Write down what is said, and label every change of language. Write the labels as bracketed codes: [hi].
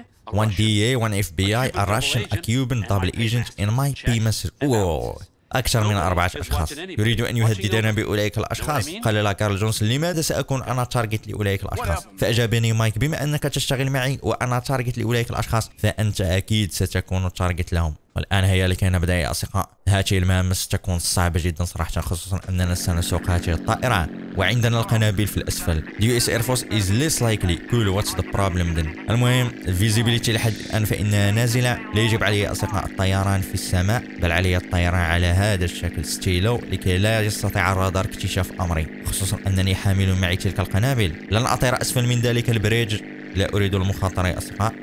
[en] One DEA, one FBI, a Russian, a Cuban, double agent, and my famous... [ar] أكثر من 4 أشخاص يريد أن يهددنا بأولئك الأشخاص. قال لا كارل جونز، لماذا سأكون أنا تارجت لأولئك الأشخاص؟ فأجابني مايك، بما أنك تشتغل معي وأنا تارجت لأولئك الأشخاص فأنت أكيد ستكون تارجت لهم. والآن هيا لكي نبدأ يا أصدقاء. هذه المهمة ستكون صعبة جدا صراحة، خصوصا أننا سنسوق هذه الطائرة وعندنا القنابل في الأسفل. [en] The US Air Force is less likely. Cool, what's the problem then? [ar] المهم visibility لحد الآن فإنها نازلة. لا يجب علي أصدقاء الطيران في السماء، بل علي الطيران على هذا الشكل ستيلو لكي لا يستطيع الرادار اكتشاف أمري، خصوصا أنني حامل معي تلك القنابل. لن أطير أسفل من ذلك البريدج، لا أريد المخاطرة يا أصدقاء.